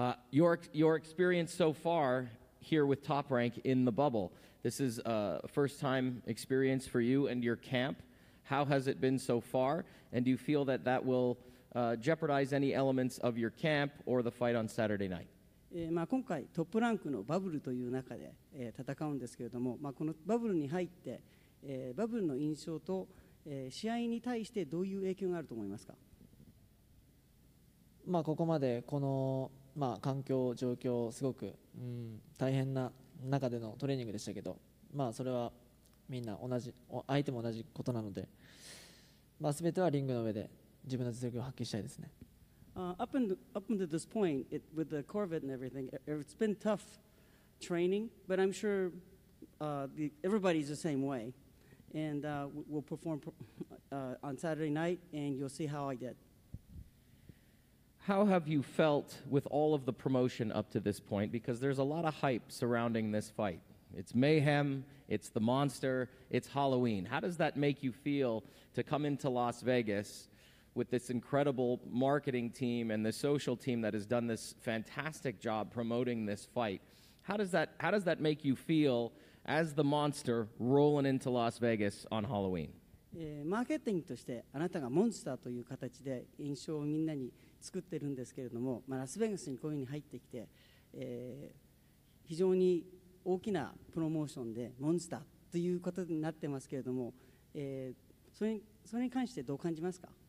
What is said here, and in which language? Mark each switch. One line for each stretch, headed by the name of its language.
English: Your experience so far here with Top Rank in the bubble, this is a first time experience for you and your camp. How has it been so far, and do you feel that that will jeopardize any elements of your camp or the fight on Saturday night?
Japanese: 今回トップランクのバブルという中で、戦うんですけれども、このバブルに入って、バブルの印象と、試合に対してどういう影響があると思いますか？ここまでこの、環境状況すごく、大変な中でのトレーニングでしたけど、それはみんな同じ相手も同じことなので、全てはリングの上で自分の実力を発揮したいですね。
English: Up until this point, with the COVID and everything, it's been tough training, but I'm sure everybody's the same way. And we'll perform on Saturday night, and you'll see how I did. How have you felt with all of the promotion up to this point? Because there's a lot of hype surrounding this fight. It's mayhem, it's the monster, it's Halloween. How does that make you feel to come into Las Vegas with this incredible marketing team and the social team that has done this fantastic job promoting this fight? How does that make you feel as the monster rolling into Las Vegas on Halloween?
Japanese: マーケティングとしてあなたがモンスターという形で印象をみんなに作ってるんですけれども、ラスベガスにこういうふうに入ってきて、非常に大きなプロモーションでモンスターということになってますけれども、それに関してどう感じますか？